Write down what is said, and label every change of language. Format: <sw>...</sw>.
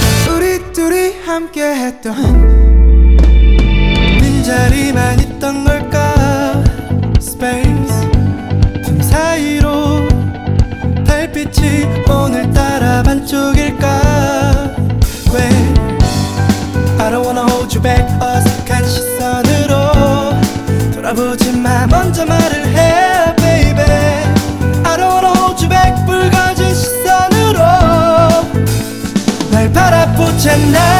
<ko>우리 둘이 함께 했던 빈자리만 있던 걸까? Space 틈 사이로 달빛이 오늘따라 반쪽일까? 왜</ko> <en>I don't wanna hold you back.</en> <ko>어색한 시선으로 돌아보지 마. 먼저 말을 해.</ko> <en>Baby, I don't wanna hold you back.</en> <ko>붉어진 시선으로 날 바라보잖아.</ko>